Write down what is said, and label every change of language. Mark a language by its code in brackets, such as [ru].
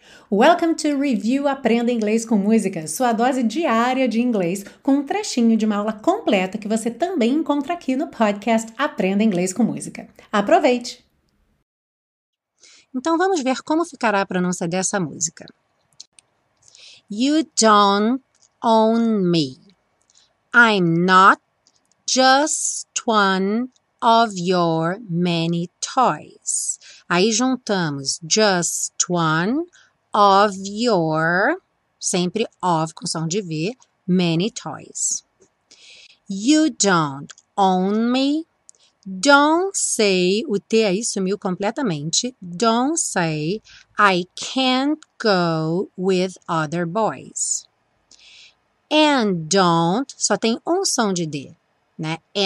[en] Welcome to [pt] Review Aprenda Inglês com Música, sua dose diária de inglês, com um trechinho de uma aula completa que você também encontra aqui no podcast Aprenda Inglês com Música. Aproveite! Então vamos ver como ficará a pronúncia dessa música. [en] You don't own me. I'm not just one of your many toys. [pt] Aí juntamos [en] just one of your, [pt] sempre of com som de V, [en] many toys. You don't own me. Don't say, [pt] o T aí sumiu completamente. [en] Don't say I can't go with other boys. And don't, [pt] só tem um som de D, né?